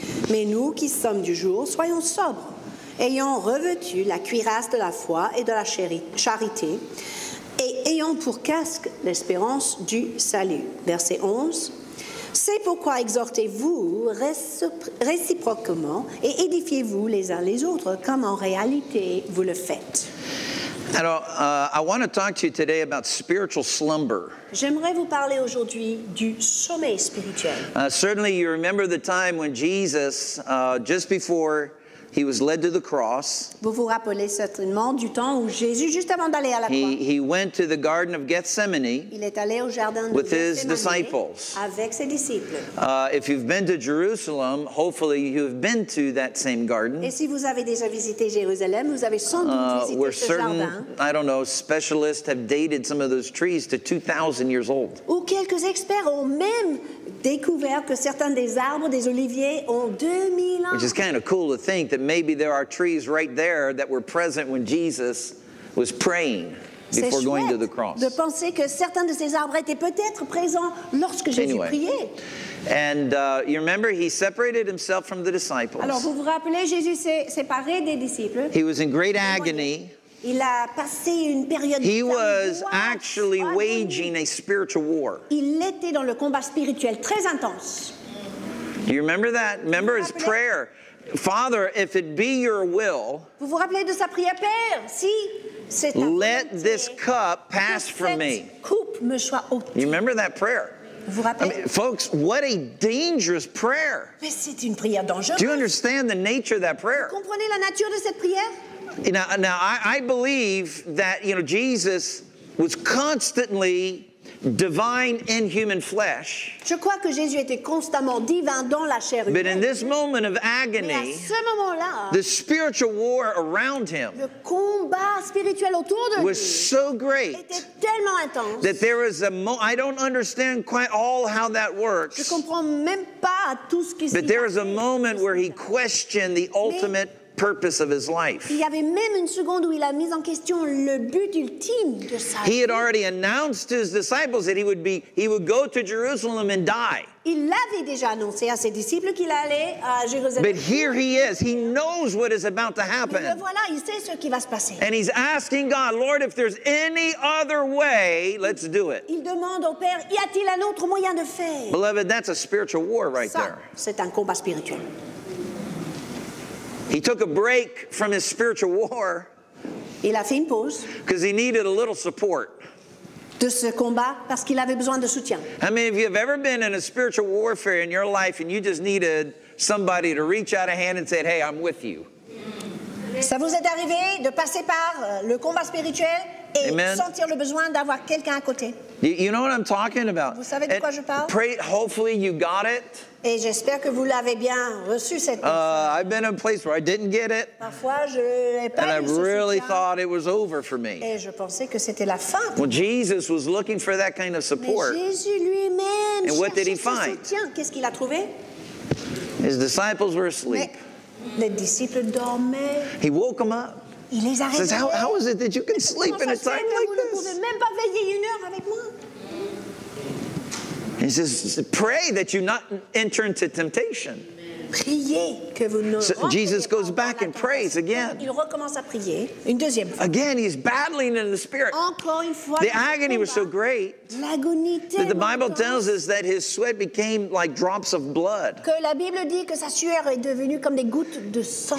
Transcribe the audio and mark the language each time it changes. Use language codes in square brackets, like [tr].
[fr] Mais nous qui sommes du jour, soyons sobres, ayant revêtu la cuirasse de la foi et de la charité, et ayant pour casque l'espérance du salut. Verset 11. C'est pourquoi exhortez-vous réciproquement et édifiez-vous les uns les autres, comme en réalité vous le faites. Alors, [en] I want to talk to you today about spiritual slumber. [fr] J'aimerais vous parler aujourd'hui du sommeil spirituel. [en] Certainly, you remember the time when Jesus, just before he was led to the cross. [fr] Vous vous rappelez certainement du temps où Jésus, juste avant d'aller à la croix, [en] he went to the Garden of Gethsemane. [fr] Il est allé au jardin [en] with his disciples. [fr] Avec ses disciples. [en] If you've been to Jerusalem, hopefully you've been to that same garden. [fr] Et si vous avez déjà visité Jérusalem, vous avez sans doute visité [en] we're [fr] ce certain, jardin. [en] I don't know, specialists have dated some of those trees to 2,000 years old. [fr] Ou quelques experts ont même découvert que certains des arbres, des oliviers, ont 2000 ans. [en] Which is kind of cool to think that maybe there are trees right there that were present when Jesus was praying before going to the cross. [fr] C'est chouette de penser que certains de ces arbres étaient peut-être présents lorsque Jésus priait. [en] And you remember, he separated himself from the disciples. [fr] Alors, vous vous rappelez, Jésus s'est séparé des disciples. [en] He was in great agony. [fr] Il a passé une période [en] he was actually waging a spiritual war. [fr] Il était dans le combat spirituel très intense. [en] Do you remember that? Remember his prayer. Father, if it be your will, [fr] vous vous rappelez de sa prière, Père, si c'est ta volonté, [en] let this cup pass from me. [fr] Coupe me soit ôtée. [en] You remember that prayer? [fr] Vous rappelez? [en] I mean, folks, what a dangerous prayer. [fr] Mais c'est une prière dangereuse. [en] Do you understand the nature of that prayer? [fr] Vous comprenez la nature de cette prière? [en] Now I believe that, you know, Jesus was constantly divine in human flesh. [fr] Je crois que Jésus était constamment divin dans la chair humaine. [en] But in this moment of agony, [fr] mais à ce moment-là, [en] the spiritual war around him, [fr] le combat spirituel autour de lui, [en] was so great, [fr] était tellement intense, [en] that there is a moment, I don't understand quite all how that works, [fr] je comprends même pas tout ce qui [en] but there is a moment where he questioned the ultimate purpose of his life. [fr] Il y avait même une seconde où il a mis en question le but ultime de sa vie. [en] He had already announced to his disciples that he would go to Jerusalem and die. [fr] Il avait déjà annoncé à ses disciples qu'il allait à Jérusalem. [en] But here he is. He knows what is about to happen. [fr] Mais le voilà, il sait ce qui va se passer. [en] And he's asking God, Lord, if there's any other way, let's do it. [fr] Il demande au Père, y a-t-il un autre moyen de faire? [en] Beloved, that's a spiritual war right [fr] ça, [en] there. [fr] C'est un combat spirituel. [en] He took a break from his spiritual war. [fr] Il a fait une pause. [en] Because he needed a little support. [fr] De ce combat parce qu'il avait besoin de soutien. [en] How many of you have ever been in a spiritual warfare in your life and you just needed somebody to reach out a hand and say, "Hey, I'm with you." [fr] Ça vous est arrivé de passer par le combat spirituel et sentir le besoin d'avoir quelqu'un à côté? [en] You know what I'm talking about. [fr] Vous savez de quoi je parle? [en] Pray, hopefully you got it. [fr] Et j'espère que vous l'avez bien reçu cette personne. [en] I've been in a place where I didn't get it. [fr] Parfois, je l'ai pas [en] and I really thought it was over for me. [fr] Et je pensais que c'était la fin. [en] Well, Jesus was looking for that kind of support. [fr] Mais Jésus lui-même [en] and what did he find? [fr] Qu'est-ce qu'il a trouvé? [en] His disciples were asleep. [fr] Mais les disciples dormaient. [en] He woke them up. [fr] Il les a réveillés. [en] How is it that you can sleep in a time like this? [fr] Vous ne pouvez même pas veiller une heure avec moi. [en] He says, pray that you not enter into temptation. [fr] Priez que vous ne [en] so Jesus goes back and prays again. [fr] Il recommence à prier une deuxième fois. [en] Again, he's battling in the spirit. [fr] Encore une fois, [en] the agony was so great that the Bible tells us that his sweat became like drops of blood. [fr] Que la Bible dit que sa sueur est devenue comme des gouttes de sang.